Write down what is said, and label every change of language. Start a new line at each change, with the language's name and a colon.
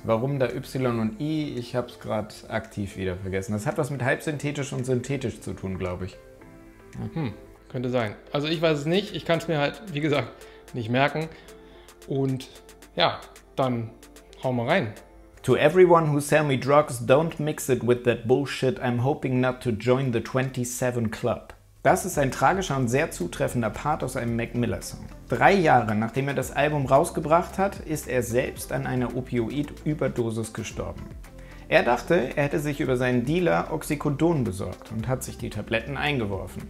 German: Warum da Y und I? Ich habe es gerade aktiv wieder vergessen. Das hat was mit halbsynthetisch und synthetisch zu tun, glaube ich. Könnte sein. Also ich weiß es nicht. Ich kann es mir halt, wie gesagt, nicht merken. Und ja, dann hauen wir rein.
English: To everyone who sell me drugs, don't mix it with that bullshit. I'm hoping not to join the 27 Club.
German: Das ist ein tragischer und sehr zutreffender Part aus einem Mac Miller Song. 3 Jahre nachdem er das Album rausgebracht hat, ist er selbst an einer Opioid-Überdosis gestorben. Er dachte, er hätte sich über seinen Dealer Oxycodon besorgt und hat sich die Tabletten eingeworfen.